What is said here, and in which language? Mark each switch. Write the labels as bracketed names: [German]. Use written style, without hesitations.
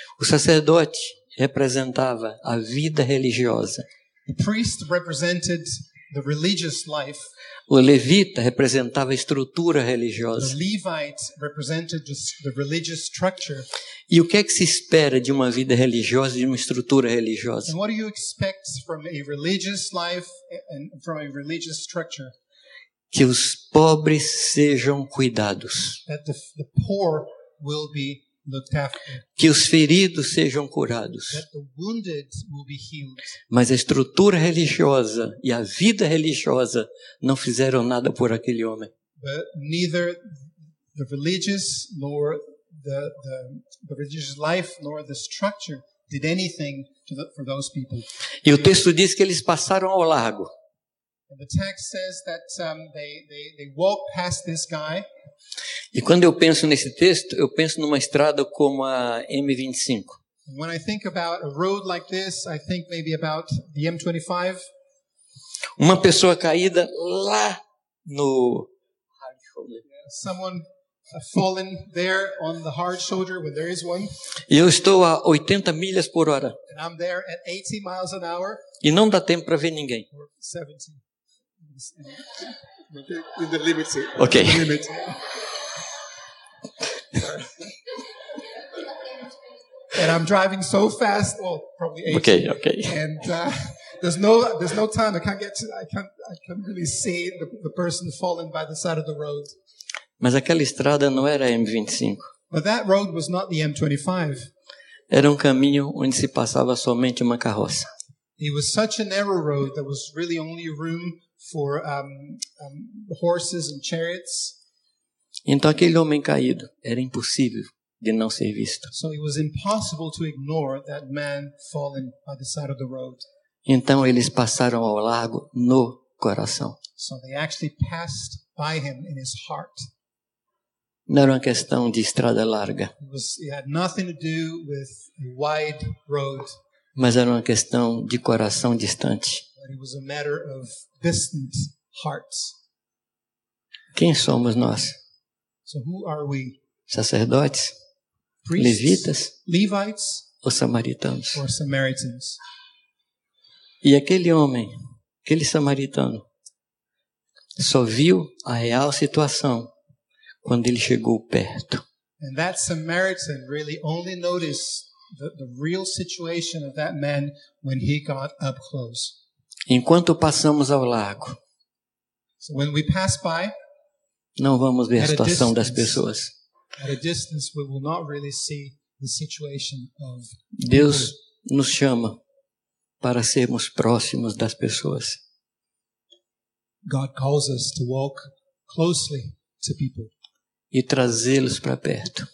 [Portuguese] O sacerdote representava a vida religiosa. [English] The priest represented the religious life. [Portuguese] O levita representava a estrutura religiosa. [English] The Levite represented the religious structure. [Portuguese] E o que é que se espera de uma vida religiosa, de uma estrutura religiosa? [English] And what do you expect from a religious life and from a religious structure? [Portuguese] Que os pobres sejam cuidados. [English] That the poor will be looked after. [Portuguese] Que os feridos sejam curados. [English] That the wounded will be healed. [Portuguese] Mas a estrutura religiosa e a vida religiosa não fizeram nada por aquele homem. [English] But neither the religious nor the religious life nor the structure did anything for those people. [Portuguese] E o texto diz que eles passaram ao largo. [English] And the text says that they walk past this guy. [Portuguese] E quando eu penso nesse texto, eu penso numa estrada como a M25. [English] When I think about a road like this, I think maybe about the M25. [Portuguese] Uma pessoa caída lá no [English] hard shoulder. Someone fallen there on the hard shoulder when there is one. [Portuguese] Eu estou a 80 milhas por hora. [English] And I'm there at 80 miles an hour. [Portuguese] E não dá tempo para ver ninguém. [English] In the limit. Okay. In the limit. And I'm driving so fast. Well, probably 80. Okay. And there's no time. I can't really see the person falling by the side of the road. [Portuguese] Mas aquela estrada não era a M25. [English] But that road was not the M25. [Portuguese] Era caminho onde se passava somente uma carroça. [English] It was such a narrow road that was really only room for horses and chariots. [Portuguese] Então aquele homem caído era impossível de não ser visto. [English] So it was impossible to ignore that man fallen by the side of the road. [Portuguese] Então eles passaram ao largo no coração. [English] So they actually passed by him in his heart. [Portuguese] Não era uma questão de estrada larga. [English] It had nothing to do with wide road. [Portuguese] Mas era uma questão de coração distante. [English] But it was a matter of distant hearts. [Portuguese] Quem somos nós? [English] So who are we? [Portuguese] Sacerdotes? [English] Priests, [Portuguese] Levitas? [English] Levites? [Portuguese] Ou samaritanos? [English] Or Samaritans? [Portuguese] E aquele homem, aquele samaritano, só viu a real situação quando ele chegou perto. [English] And that Samaritan really only noticed the real situation of that man when he got up close. [Portuguese] Enquanto passamos ao largo, [English] so when we pass by, [Portuguese] não vamos ver a situação distance, das pessoas. [English] At a distance, we will not really see the situation of [Portuguese] Deus people. Nos chama para sermos próximos das pessoas. [English] God calls us to walk closely to people. [Portuguese] E trazê-los para perto.